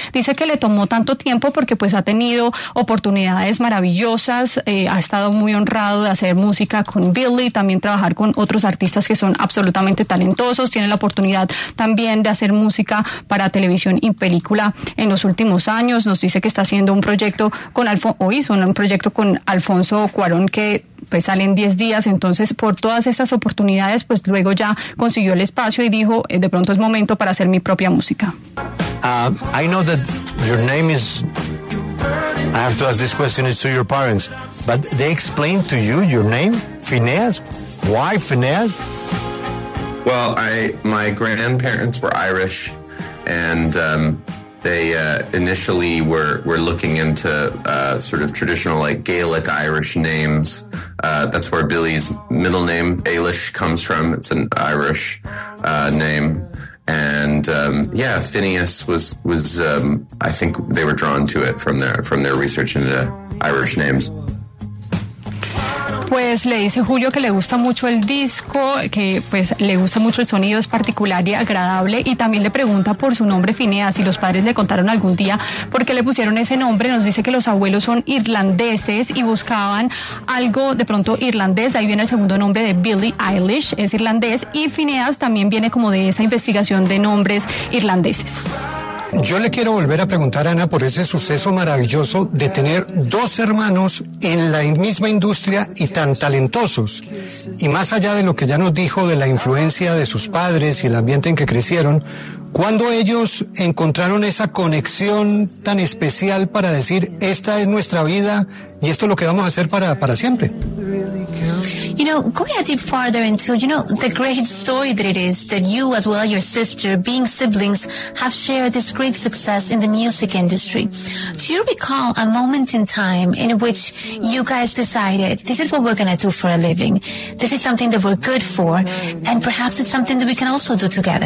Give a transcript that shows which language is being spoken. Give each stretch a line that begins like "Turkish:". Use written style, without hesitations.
Spanish: dice que le tomó tanto tiempo porque pues ha tenido oportunidades maravillosas, ha estado muy honrado de hacer música con Billy, también trabajar con otros artistas que son absolutamente talentosos, tiene la oportunidad también de hacer música para televisión y película en los últimos años. Nos dice que está haciendo un proyecto con Alfonso Cuarón que pues salen 10 días, entonces por todas esas oportunidades pues luego ya consiguió el espacio y dijo, de pronto es momento para hacer mi propia música.
English: I know that your name is, I have to ask this question to your parents, but they explained to you your name, Phineas? Why Phineas? Well, my grandparents were Irish and they initially were looking into sort of traditional like Gaelic Irish names. That's where Billy's middle name, Eilish, comes from. It's an Irish name. And Phineas was I think they were drawn to it from their research into Irish names.
Spanish: Pues le dice Julio que le gusta mucho el disco, que pues le gusta mucho el sonido, es particular y agradable, y también le pregunta por su nombre Phineas, si los padres le contaron algún día por qué le pusieron ese nombre. Nos dice que los abuelos son irlandeses y buscaban algo de pronto irlandés, ahí viene el segundo nombre de Billie Eilish, es irlandés, y Phineas también viene como de esa investigación de nombres irlandeses. Yo le quiero volver a preguntar a Ana por ese suceso maravilloso de tener dos hermanos en la misma industria y tan talentosos. Y más allá de lo que ya nos dijo de la influencia de sus padres y el ambiente en que crecieron, ¿cuándo ellos encontraron esa conexión tan especial para decir, esta es nuestra vida y esto es lo que vamos a hacer para siempre?
English: You know, going a deep farther into, you know, the great story that it is that you, as well as your sister, being siblings, have shared this great success in the music industry. Do you recall a moment in time in which you guys decided, this is what we're going to do for a living, this is something that we're good for, and perhaps it's something that we can also do together?